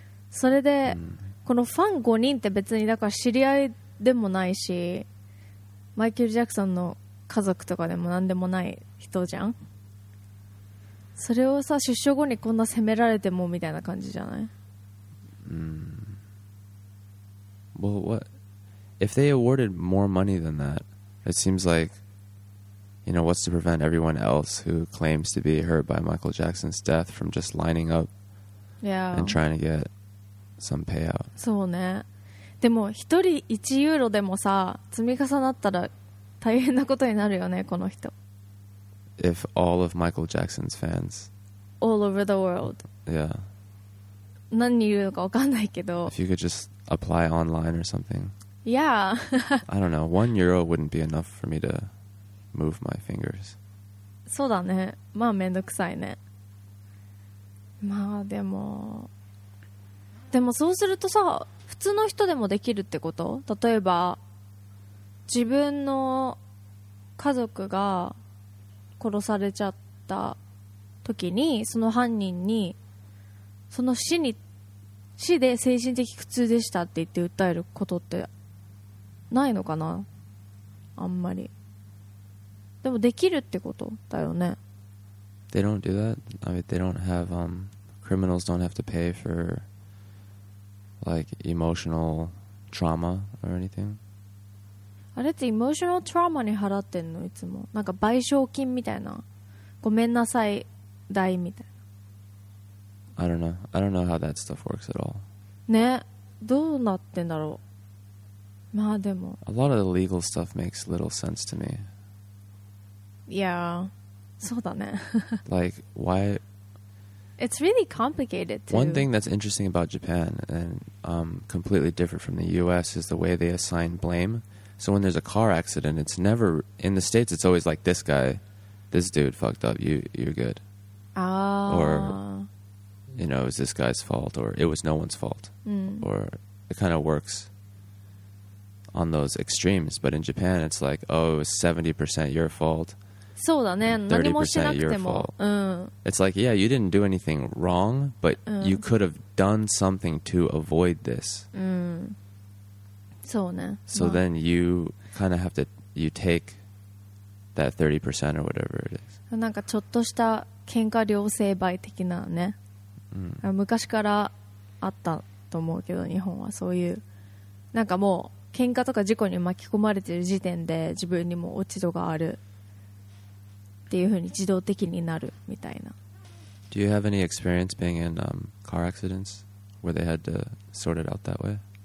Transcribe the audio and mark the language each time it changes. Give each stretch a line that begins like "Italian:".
Japanese: それで、このファン5人って別にだから知り合いでもないし、マイケル・ジャクソンの家族とかでもなんでもない人じゃん。それをさ、出所後にこんな責められてもみたいな感じじゃない。
English: Well, what if they awarded more money than that? It seems like, you know, what's to prevent everyone else who claims to be hurt by Michael Jackson's death from just lining up, yeah, and trying to get some payout?
Japanese: そうね。でも一人1ユーロでもさ、積み重なったら大変なことになるよね、この人。
English: If all of Michael Jackson's fans, all over the world, yeah,
Japanese: 何に言うのかわかんないけど。
English: If you could just. Apply online or something. Yeah. I don't know. €1 wouldn't be enough for me to move my fingers.
Japanese: そうだね。まあめんどくさいね。まあでも、でもそうするとさ、普通の人でもできるってこと？例えば自分の家族が殺されちゃった時に、その犯人にその死に死で精神的苦痛でしたって言って訴えることってないのかな、あんまり。でもできるってことだよね。
English: They don't do that. I mean, they don't have criminals don't have to pay for like emotional trauma or anything.
Japanese: あれって
English: emotional trauma
Japanese: に払ってんの、いつもなんか賠償金みたいな、ごめんなさい代みたいな。
English: I don't know how that stuff works at all.
Japanese: ね、どうなってんだろう。まあでも。
English: A lot of the legal stuff makes little sense to me.
Japanese: Yeah, そうだね。
English: Like, why? It's really complicated, too. One thing that's interesting about Japan, and completely different from the US, is the way they assign blame. So when there's a car accident, it's never... In the States, it's always like, this guy, this dude fucked up, you're good. Ah. Or... You know, it was this guy's fault, or it was no one's fault.、 Mm. Or it kind of works on those extremes. But in Japan, it's like, oh, it was 70% your fault.
Japanese: そうだね。
English: 30% your fault.、
Japanese: うん、
English: it's like, yeah, you didn't do anything wrong, but、うん、you could have done something to avoid this.、
Japanese: うん、そうね。
English: So、まあ、then you kind of have to, you take that 30% or whatever it is.
Japanese: なんかちょっとした喧嘩両成敗的なね。昔からあったと思うけど、日本はそういうなんかもう喧嘩とか事故に巻き込まれてる時点で自分にも落ち度があるっていう風に自動的になるみたいな。
English: Do you have any experience being in car accidents where they had to sort it out that way?